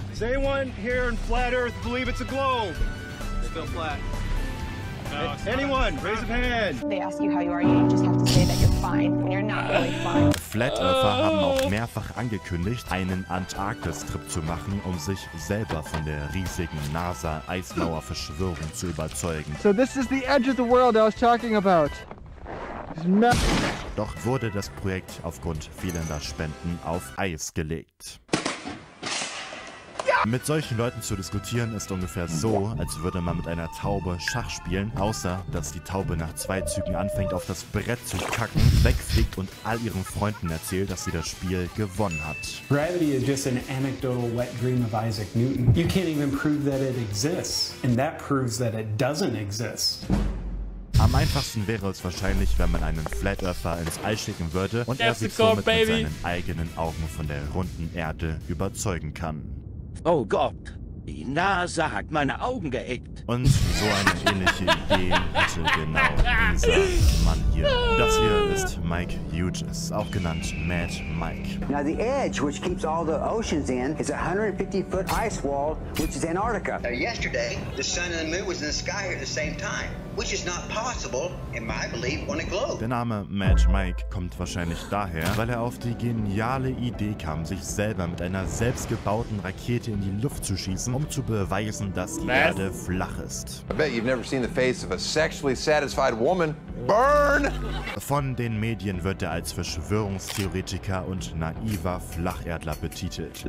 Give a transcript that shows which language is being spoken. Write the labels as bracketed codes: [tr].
[en] Does anyone here in Flat Earth believe it's a globe? It's still flat. Anyone, raise a hand. They ask you how you are, you just have to say that you're fine when you're not really fine. [de] Flat Earther haben auch mehrfach angekündigt, einen Antarktis-Trip zu machen, um sich selber von der riesigen NASA-Eismauer-Verschwörung zu überzeugen. [en] So this is the edge of the world I was talking about. [de] Doch wurde das Projekt aufgrund fehlender Spenden auf Eis gelegt. Mit solchen Leuten zu diskutieren ist ungefähr so, als würde man mit einer Taube Schach spielen, außer dass die Taube nach zwei Zügen anfängt, auf das Brett zu kacken, wegfliegt und all ihren Freunden erzählt, dass sie das Spiel gewonnen hat. [en] Gravity is just an anecdotal wet dream of Isaac Newton. You can't even prove that it exists, and that proves that it doesn't exist. [de] Am einfachsten wäre es wahrscheinlich, wenn man einen Flat Earther ins All schicken würde und er sich somit mit seinen eigenen Augen von der runden Erde überzeugen kann. Oh Gott, die NASA hat meine Augen geeckt. Und so eine ähnliche Idee hatte genau dieser Mann hier. Das hier ist Mike Hughes, auch genannt Mad Mike. [en] Now the edge which keeps all the oceans in is a 150-foot ice wall, which is Antarctica. Yesterday, the sun and the moon was in the sky at the same time. Which is not possible, in my belief, on a globe. [de] Der Name Mad Mike kommt wahrscheinlich daher, weil er auf die geniale Idee kam, sich selber mit einer selbstgebauten Rakete in die Luft zu schießen, um zu beweisen, dass die Erde flach ist. [en] I bet you've never seen the face of a sexually satisfied woman burn. [de] Von den Medien wird er als Verschwörungstheoretiker und naiver Flacherdler betitelt.